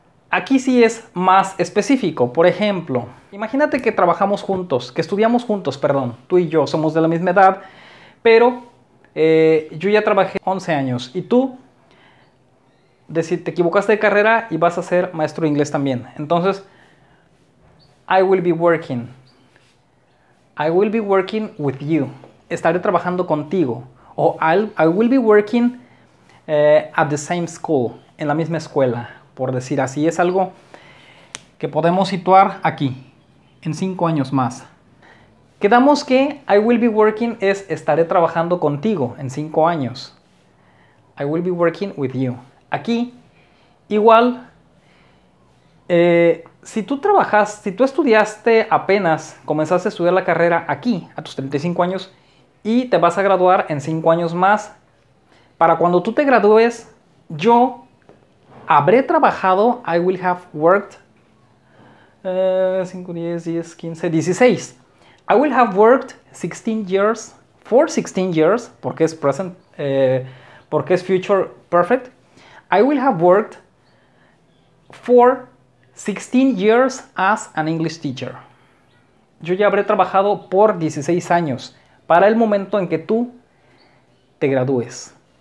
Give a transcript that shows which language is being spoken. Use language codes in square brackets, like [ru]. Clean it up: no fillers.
[es] Aquí sí es más específico. Por ejemplo, imagínate que trabajamos juntos, que estudiamos juntos, perdón, tú y yo somos de la misma edad, pero yo ya trabajé 11 años y tú te equivocaste de carrera y vas a ser maestro de inglés también. [en] Entonces, I will be working. I will be working with you. [es] Estaré trabajando contigo. O [en] I will be working at the same school, [es] en la misma escuela. Por decir así, es algo que podemos situar aquí, en 5 años más. Quedamos que [en] I will be working [es] es estaré trabajando contigo en 5 años. [en] I will be working with you. [es] Aquí, igual, si tú estudiaste apenas, comenzaste a estudiar la carrera aquí, a tus 35 años, y te vas a graduar en 5 años más, para cuando tú te gradúes, yo habré trabajado, [en] I will have worked, [es] 5, 10, 10, 15, 16. [en] I will have worked 16 years, for 16 years, [es] porque es [en] present, [es] porque es [en] future perfect. I will have worked for 16 years as an English teacher. [es] Yo ya habré trabajado por 16 años para el momento en que tú te gradúes.